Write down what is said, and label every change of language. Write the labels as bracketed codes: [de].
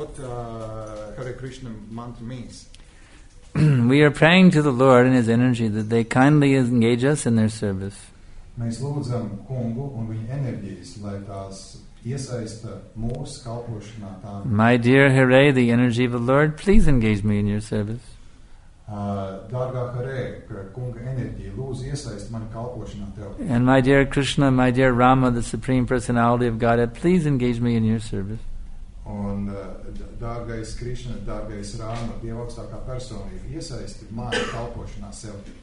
[en] Hare Krishna mantra means? We are praying to the Lord and His energy that they kindly engage us in their service. [lv] Mēs lūdzam Kungu un viņa energijas, lai tās iesaista mūsu kalpošanā. [en] My dear Hare, the energy of the Lord, please engage me in your service. [lv] Dārgā Hare, Kunga enerģija, lūdzu iesaist mani kalpošanā tev. [en] And my dear Krishna, my dear Rama, the Supreme Personality of Godhead, please engage me in your service. [lv] Un dārgais Krishna, dārgais Rama, Dieva augstākā persona, iesaisti mani kalpošanā sev.